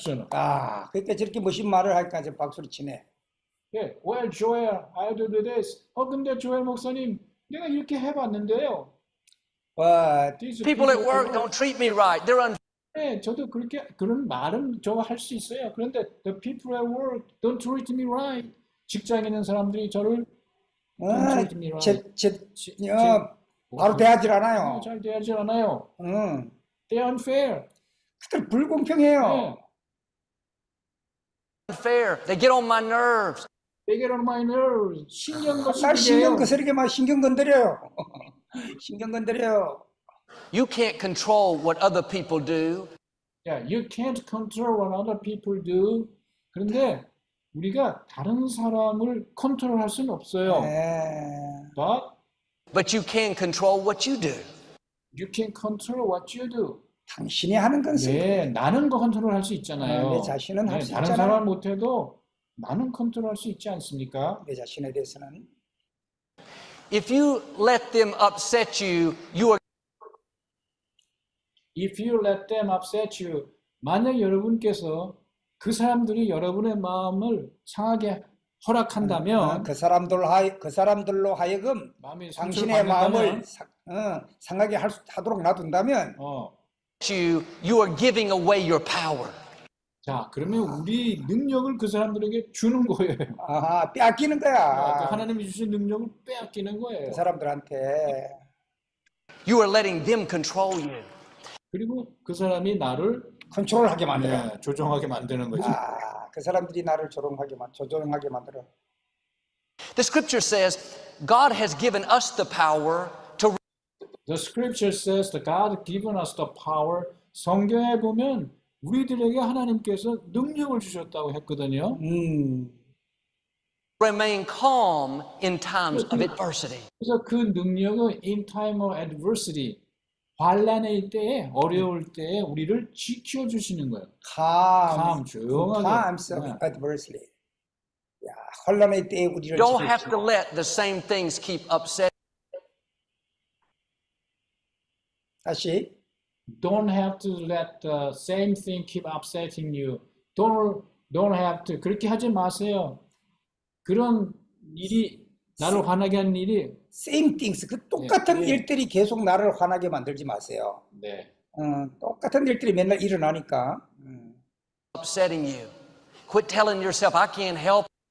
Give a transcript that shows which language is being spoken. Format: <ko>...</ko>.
<ko>아 그러니까 저렇게 멋있는 말을 할까 이제 박수를 치네. 예,</ko> <en>yeah. Well, Joel, I would do this.</en> <ko>어 근데 조엘 목사님, 내가 이렇게 해봤는데요.</ko> <en>But people at work don't treat me right. They're un</en> <ko>네, 저도 그렇게 그런 말은 저 할 수 있어요.</ko> <en>그런데 the people at work don't treat me right.</en> <ko>직장에 있는 사람들이 저를</ko> <en>don't treat me right.</en> <ko>바로 대하지 않아요. 잘 대하지 않아요.</ko> <en>They're unfair.</en> <ko>그들 불공평해요.</ko> <en>네. Unfair. They get on my nerves. They get on my nerves.</en> <ko>신경 거스르게. 날 신경 거스르게 막 신경 건드려요. 신경 건드려요.</ko> <en>You can't control what other people do. Yeah, you can't control what other people do.</en> <ko>그런데 우리가 다른 사람을 컨트롤할 수는 없어요.</ko> <en>Yeah. But you can control what you do. You can control what you do.</en> <ko>당신이 하는 건 네, 나는 컨트롤할 수 있잖아요. 내 자신은 네, 할 수 있잖아요. 다른 사람 못해도 나는 컨트롤할 수 있지 않습니까? 내 자신에 대해서는.</ko> <en>If you let them upset you, you are If you let them upset you,</en> <ko>만약 여러분께서 그 사람들이 여러분의 마음을 상하게 허락한다면 그 사람들로 하여금 마음이 당신의 마음을 상하게 하도록 놔둔다면</ko> <en>you are giving away your power.</en> <ko>자, 그러면 우리 능력을 그 사람들에게 주는 거예요. 아하, 빼앗기는 거야. 그 하나님이 주신 능력을 빼앗기는 거예요. 그 사람들한테</ko> <en>You are letting them control you.</en> <ko>그리고 그 사람이 나를 컨트롤하게 만들어 네, 조종하게 만드는 거지. 아, 그 사람들이 나를 조종하게 만들어.</ko> <en>The scripture says God has given us the power to The scripture says that God has given us the power.</en> <ko>성경에 보면 우리들에게 하나님께서 능력을 주셨다고 했거든요.</ko> <en>Remain calm in times of adversity.</en> <ko>그래서 그 능력은</ko> <en>in time of adversity</en> <ko>환란의 때에 어려울 때에 우리를 지켜 주시는 거예요.</ko> <en>Calm,</en> <ko>조용하게.</ko> <en>Calm, so adversely.</en> <ko>야, 환란의 때에 우리를 지켜.</ko> <en>Don't have to let the same things keep upset.</en> <ko>다시.</ko> <en>Don't have to let the same thing keep upsetting you. Don't have to</en> <ko>그렇게 하지 마세요. 그런 일이 나를 화나게 하는 일이</ko> <en>same things</en> <ko>그 똑같은 네, 네. 일들이 계속 나를 화나게 만들지 마세요. 네. 똑같은 일들이 맨날 일어나니까.</ko> <en>Upsetting you. Quit telling yourself I can't help.</en>